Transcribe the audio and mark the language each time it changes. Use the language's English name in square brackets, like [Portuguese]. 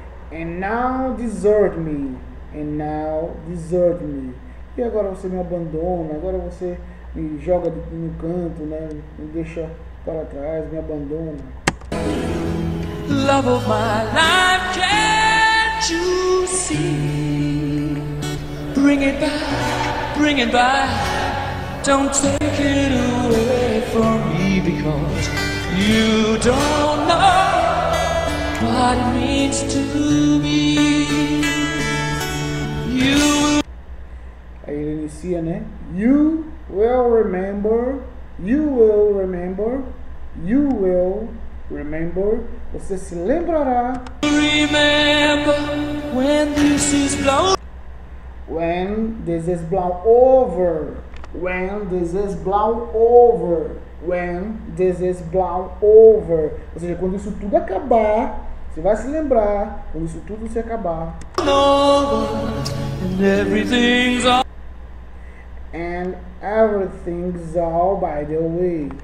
[English] And now desert me. And now desert me. [Portuguese] E agora você me abandona. Agora você me joga no canto, né? Me deixa para trás, me abandona. [English] Love of my life, can't you see? Bring it back, don't take it away from me, because you don't know what it means to me. You. [Portuguese] Aí ele inicia, né? [English] You will remember, you will remember, you will remember. [Portuguese] Você se lembrará. [English] Remember when this is blown. When this is blown over. When this is blown over. When this is blown over. [Portuguese] Ou seja, quando isso tudo acabar, você vai se lembrar. Quando isso tudo se acabar. [English] And everything's all. And everything's all by the way.